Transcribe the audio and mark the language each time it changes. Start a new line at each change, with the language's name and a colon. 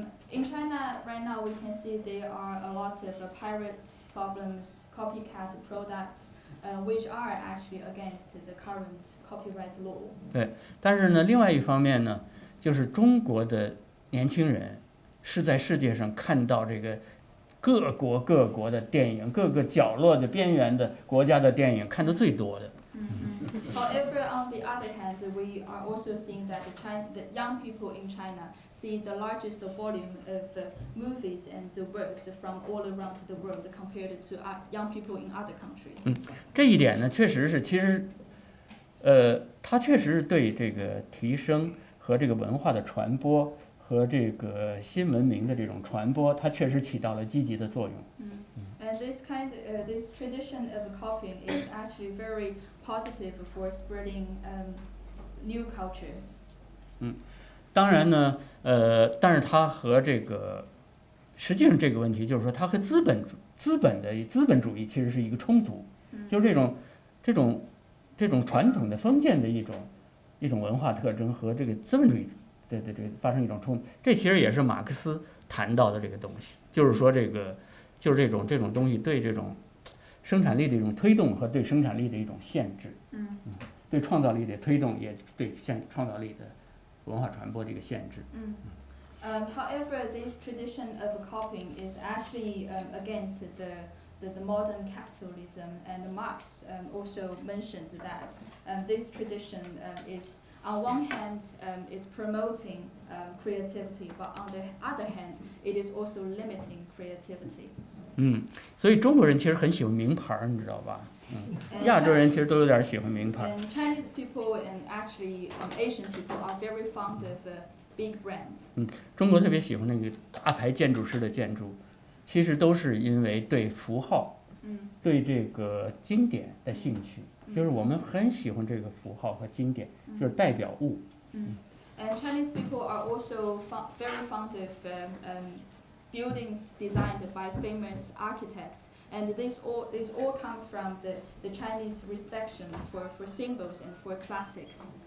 English: In China right now we can see there are a lot of pirates problems, copycat productswhich are actually against the current copyright law.
Chinese: 对，但是呢另外一方面呢，就是中国的年轻人是在世界上看到这个各国各国的电影，各个角落的边缘的国家的电影看得最多的。
English: However, on the other hand, we are also seeing that the young people in China see the largest volume of movies and works from all around the world compared to young people in other countries.
Chinese: 这一点呢，确实是，其实，它确实是对这个提升和这个文化的传播和这个新文明的这种传播，它确实起到了积极的作用。
English: And this kind of, this tradition of copying is actually very positive for spreading new culture.
Chinese: 当然呢，但是它和这个，实际上这个问题就是说，它和资本主义其实是一个冲突，就是这种传统的封建的一种文化特征和这个资本主义对发生一种冲突，这其实也是马克思谈到的这个东西，就是说这个就是这种东西对这种生产力的一种推动和对生产力的一种限制，对创造力的推动也对创造力的文化传播的一个限制。
English: However, this tradition of copying is actually against the modern capitalism, and Marx also mentioned that this tradition is, on one hand, it's promoting creativity, but on the other hand, it is also limiting creativity.
Chinese: 所以中国人其实很喜欢名牌，你知道吧？亚洲人其实都有点喜欢名牌。
English: And Chinese people and actually Asian people are very fond of big brands.
Chinese: 中国特别喜欢那个大牌建筑师的建筑。其实都是因为对符号，对这个经典的兴趣，就是我们很喜欢这个符号和经典，就是代表物。
English: And Chinese people are also very fond of buildings designed by famous architects, and this all come from the Chinese respection for symbols and for classics.